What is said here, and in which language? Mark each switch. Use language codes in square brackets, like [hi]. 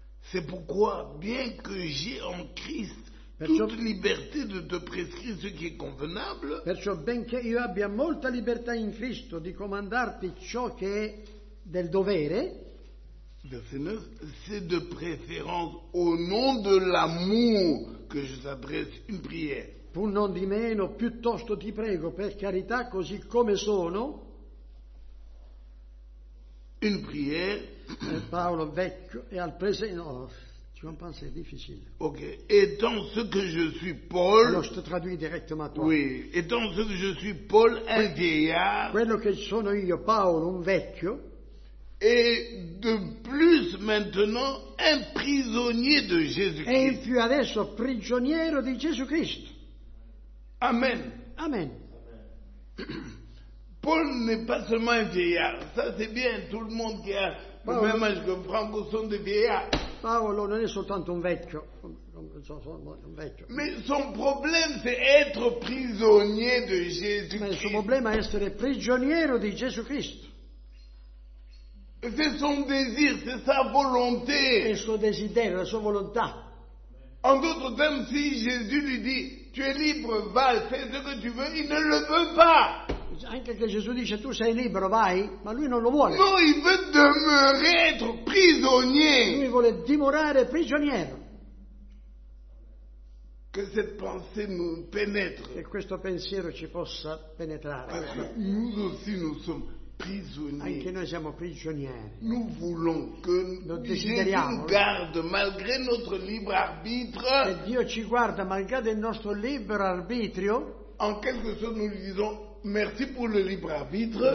[fr] C'est pourquoi, bien que j'ai en Christ toute liberté de te prescrire ce qui est convenable. [it] Perciò benché io abbia molta libertà in Cristo di comandarti ciò che è del dovere. [fr] Verset 9, c'est de préférence au nom de l'amour que je t'adresse une prière. [it] Pur non di meno, piuttosto ti prego, per carità, così come sono. [fr] Une prière. [it] Paolo vecchio e al presente. No, tu non pensi, è difficile. [fr] Ok, étant ce que je suis Paul. [it] Allora, [fr] je te traduis directement toi. Oui, étant ce que je suis Paul, un vieillard. [it] Quello che sono io, Paolo, un vecchio. [fr] Et de plus maintenant un prisonnier de Jésus-Christ. [it] E più adesso prigioniero di Gesù Cristo. Amen. Amen. [fr] Paul n'est pas seulement un vieillard. Ça c'est bien, tout le monde qui a le même âge que Franco sont des vieillards. [it] Paolo non è soltanto un vecchio, un vecchio. [fr] Mais son problème c'est être prisonnier de Jésus. [it] Ma il suo problema è essere prigioniero di Gesù Cristo. [fr] C'est son désir, c'est sa volonté. [it] È il suo desiderio, la sua volontà. [fr] En d'autres termes, si Jésus lui dit tu es libre, va, fais ce que tu veux, il ne le veut pas. [it] Anche che Gesù dice tu sei libero, vai, ma lui non lo vuole. [fr] No, il veut demeurer, être prisonnier. [it] Lui vuole dimorare prigioniero. [fr] Que cette pensée nous pénètre. [it] Che questo pensiero ci possa penetrare. [fr] Parce que nous aussi nous sommes prisonniers. [it] Anche noi siamo prigionieri. [fr] Nous voulons que Dieu nous garde malgré notre libre arbitre. [it] E Dio ci guarda malgrado il nostro libero arbitrio. [fr] En quelque sorte nous lui disons merci pour le libre arbitre.